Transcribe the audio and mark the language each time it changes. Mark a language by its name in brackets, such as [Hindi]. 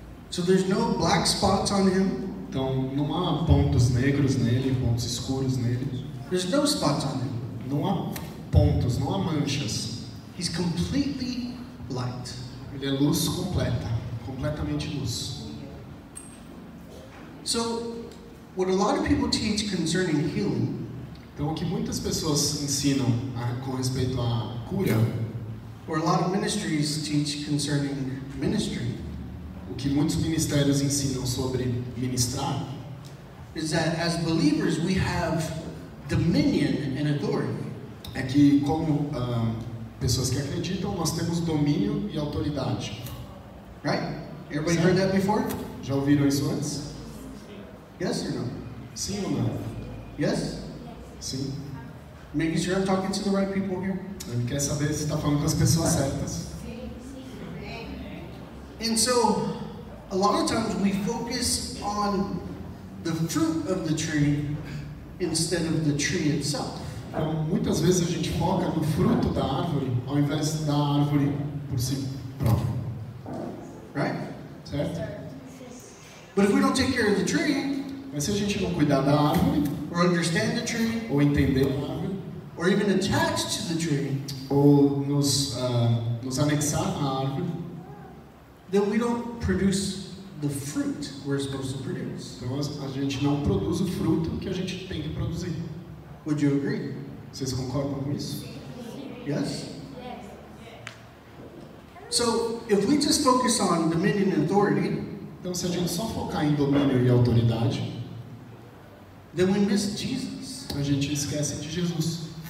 [English] So there's no black spots on him. [Portuguese] Então não há pontos negros nele, pontos escuros nele. [English] There's no spots on him. [Portuguese] Não há pontos, não há manchas. [English] He's completely light. [Portuguese] Ele é luz completa, completamente luz. [English] So, what a lot of people teach concerning healing, [Portuguese] então, o que muitas pessoas ensinam com respeito à cura, [English] or a lot of ministries teach concerning ministry, [Portuguese] o que muitos ministérios ensinam sobre ministrar, [English] is that as believers we have dominion and authority. [Portuguese] É que como pessoas que acreditam, nós temos domínio e autoridade. [English] Right? Everybody Sim. heard that before? [Portuguese] Já ouviram isso antes? [English] Yes or no? [Portuguese] Sim ou não? [English] Yes? [Portuguese] Sim. [English] Making sure I'm talking to the right people here. [Portuguese] Ele quer saber se está falando com as pessoas certas. [English] And so, a lot of times we focus on the fruit of the tree instead of the tree itself. [Portuguese] Então, muitas vezes a gente foca no fruto da árvore ao invés da árvore por si própria. [English] Right? [Portuguese] Certo? [English] But if we don't take care of the tree, [Portuguese] mas se a gente não cuidar da árvore, [English] or understand the tree, [Portuguese] ou entender a árvore, [English] or even attach to the tree, [Portuguese] ou nos anexar à árvore, [English] then we don't produce the fruit we're supposed to produce. [Portuguese] Então a gente não produz o fruto que a gente tem que produzir. [English] Would you agree? [Portuguese] Vocês concordam com isso? [English] Yes? So, if we just focus on dominion and authority, [Portuguese] então se a gente só focar em domínio e autoridade, [English] then we miss Jesus. [Portuguese] A gente esquece de Jesus.